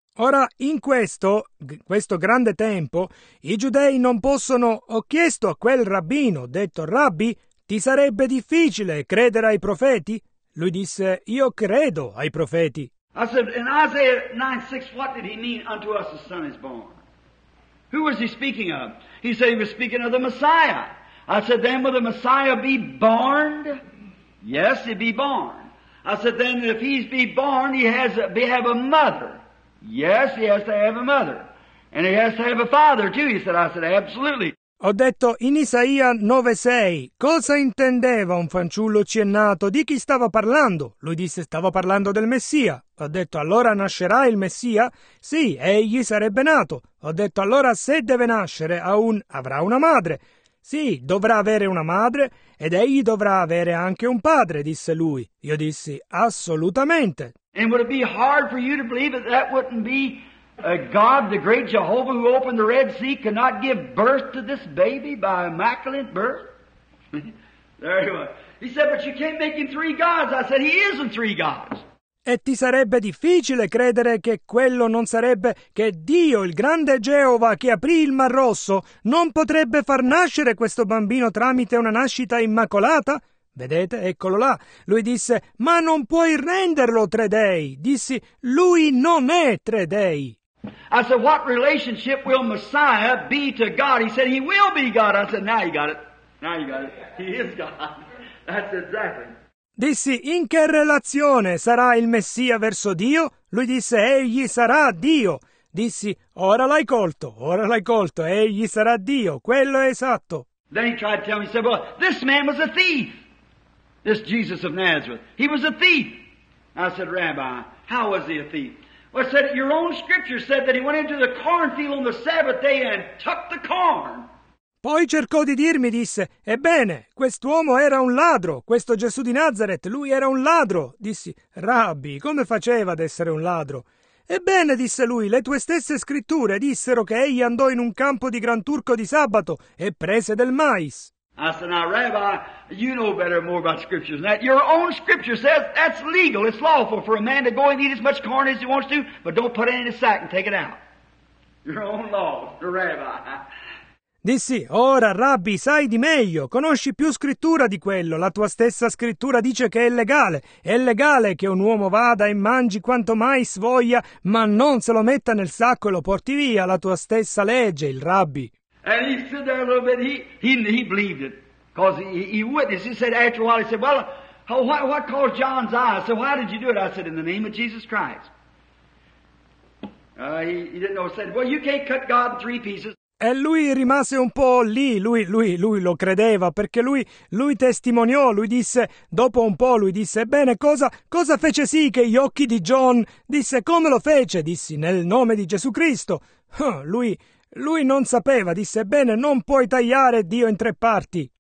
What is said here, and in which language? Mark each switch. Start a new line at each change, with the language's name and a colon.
Italian: Ora, in questo grande tempo, i giudei non possono... Ho chiesto a quel rabbino, detto, Rabbi, ti sarebbe difficile credere ai profeti? Lui disse, io credo ai profeti.
English: I said, in Isaiah 9:6, what did he mean, unto us a son is born? Who was he speaking of? He said he was speaking of the Messiah. I said, then will the Messiah be born? Yes, he'd be born. I said, then if he's be born, he has to have a mother. Yes, he has to have a mother. And he has to have a father too, he said. I said, absolutely.
Italian: Ho detto, in Isaia 9:6, cosa intendeva un fanciullo ci è nato? Di chi stava parlando? Lui disse, stavo parlando del Messia. Ho detto, allora nascerà il Messia? Sì, egli sarebbe nato. Ho detto, allora se deve nascere, avrà una madre. Sì, dovrà avere una madre ed egli dovrà avere anche un padre, disse lui. Io dissi, assolutamente.
English: And would it be hard for you to believe that that wouldn't be a God, the great Jehovah who opened the Red Sea, could not give birth to this baby by immaculate birth? There he was. He said, but you can't make him three gods. I said, he isn't three gods.
Italian: E ti sarebbe difficile credere che quello non sarebbe che Dio, il grande Geova che aprì il Mar Rosso, non potrebbe far nascere questo bambino tramite una nascita immacolata? Vedete, eccolo là. Lui disse, ma non puoi renderlo tre dei. Dissi, lui non è tre dei.
English: I said, what relationship will Messiah be to God? He said, he will be God. I said, now you got it. Now you got it. He is God. That's exactly.
Italian: Dissi, in che relazione sarà il Messia verso Dio? Lui disse, egli sarà Dio. Dissi, ora l'hai colto, egli sarà Dio. Quello è esatto.
English: Then he tried to tell me, he said, well, this man was a thief. This Jesus of Nazareth, he was a thief. I said, Rabbi, how was he a thief? Well, I said, your own scripture said that he went into the cornfield on the Sabbath day and took the corn.
Italian: Poi cercò di dirmi, disse, ebbene, quest'uomo era un ladro, questo Gesù di Nazareth, lui era un ladro. Dissi, Rabbi, come faceva ad essere un ladro? Ebbene, disse lui, le tue stesse scritture dissero che egli andò in un campo di gran turco di sabato e prese del mais.
English: I said, now, Rabbi, you know better more about scriptures than that. Your own scripture says that's legal, it's lawful for a man to go and eat as much corn as he wants to, but don't put it in his sack and take it out. Your own law, the Rabbi.
Italian: Dissi, ora, Rabbi, sai di meglio, conosci più scrittura di quello, la tua stessa scrittura dice che è legale che un uomo vada e mangi quanto mai svoglia, ma non se lo metta nel sacco e lo porti via, la tua stessa legge, il Rabbi.
English: And he stood there a little bit, he believed it, because he witnessed, he said, after a while, he said, well, what caused John's eyes? I said, why did you do it? I said, in the name of Jesus Christ. He didn't know, he said, well, you can't cut God in three pieces.
Italian: E lui rimase un po' lì, lui lo credeva, perché lui testimoniò, lui disse, dopo un po' lui disse, bene, cosa fece sì che gli occhi di John, disse, come lo fece? Dissi, nel nome di Gesù Cristo. Lui non sapeva, disse, bene, non puoi tagliare Dio in tre parti.